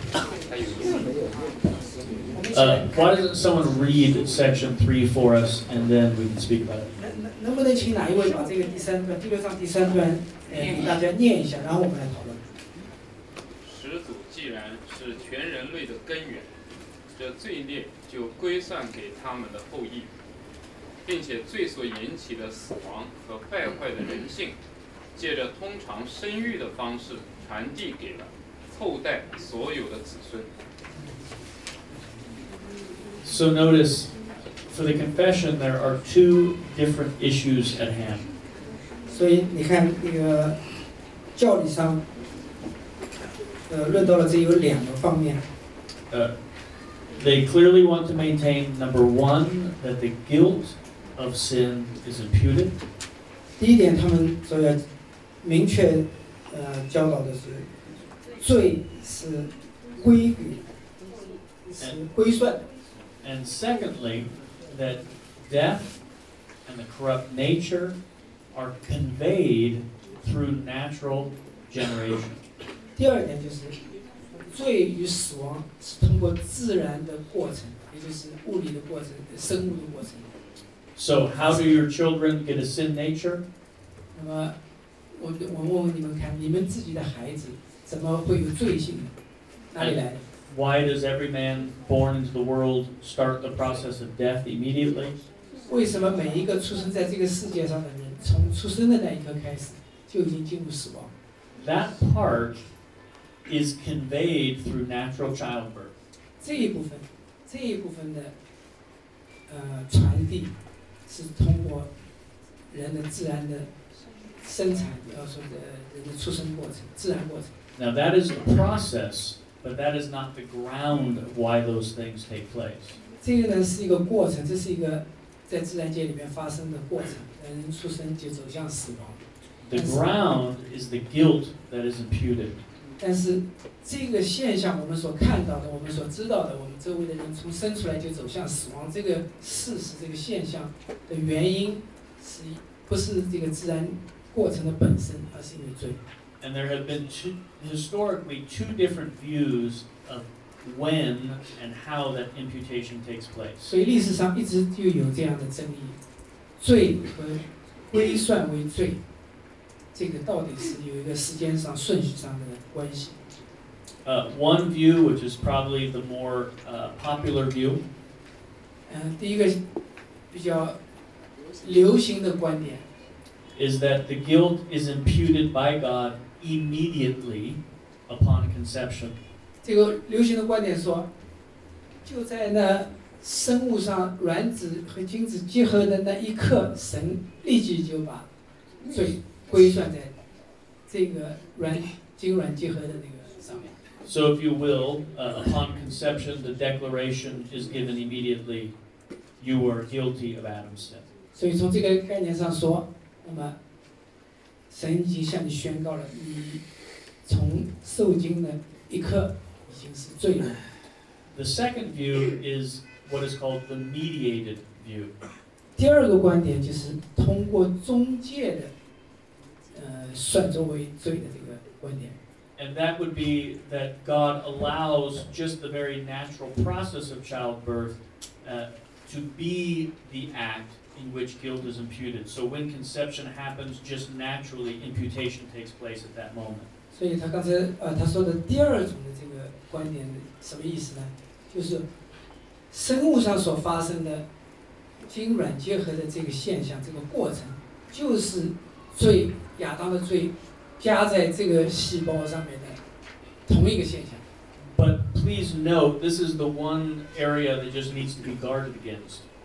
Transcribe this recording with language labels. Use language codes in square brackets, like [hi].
[en] Why doesn't someone read section 3 for us and then we can speak about it? [zh] 能不能请哪一位把这个第三段第六章第三段给大家念一下，然后我们来讨论。始祖既然是全人类的根源，这罪孽就归算给他们的后裔，并且罪所引起的死亡和败坏的人性，借着通常生育的方式传递给了后代所有的子孙。 [en] So notice, for the confession, there are two different issues at hand. [zh] 所以你看那个教理上，论到了这有两个方面。 [en] They clearly want to maintain number one that the guilt of sin is imputed. [zh] 第一点，他们所要明确教导的是，罪是归于，是归算。 [en] And secondly, that death and the corrupt nature are conveyed through natural generation. [zh] 第二点就是罪与死亡是通过自然的过程，也就是物理的过程，生物的过程。 [en] So how do your children get a sin nature? [zh] 那么我问问你们看，你们自己的孩子怎么会有罪性？哪里来的？ [en] Why does every man born into the world start the process of death immediately? [zh] 为什么每一个出生在这个世界上的人，从出生的那一刻开始就已经进入死亡？ [en] That part is conveyed through natural childbirth. [zh] 这一部分的传递是通过人的自然的生产，要说的人的出生过程，自然过程。 [en] Now that is a process, but that is not the ground of why those things take place. [zh] 这个呢是一个过程，这是一个在自然界里面发生的过程，人出生就走向死亡。 [en] The ground is the guilt that is imputed. [zh] 但是这个现象我们所看到的，我们所知道的，我们周围的人从生出来就走向死亡，这个事实，这个现象的原因是不是这个自然过程的本身，而是因为罪。 [en] And there have been historically two different views of when and how that imputation takes place. [zh] 所以历史上一直就有这样的争议，罪和归算为罪，这个到底是有一个时间上顺序上的关系。 [en] One view, which is probably the more popular view. [zh] 第一个比较流行的观点 [en] is that the guilt is imputed by God. Immediately upon conception. [zh] 这个流行的观点说，就在那生物上卵子和精子结合的那一刻，神立即就把罪归算在这个精卵结合的那个上面。 [en] So if you will, upon conception, the declaration is given immediately. You are guilty of Adam's sin. [zh] 所以从这个概念上说，那么。神已经向你宣告了，你从受精的一刻已经是罪人。 [en] The second view is what is called the mediated view. [zh] 第二个观点就是通过中介的，算作为罪的这个观点。 [en] And that would be that God allows just the very natural process of childbirth, to be the act. In which guilt is imputed. So when conception happens, just naturally imputation takes place at that moment. [zh] 所以他刚才他说的第二种的这个观点什么意思呢？就是生物上所发生的精卵结合的这个现象，这个过程，就是罪亚当的罪加在这个细胞上面的同一个现象。 [en] But please note, this is the one area that just needs to be guarded against.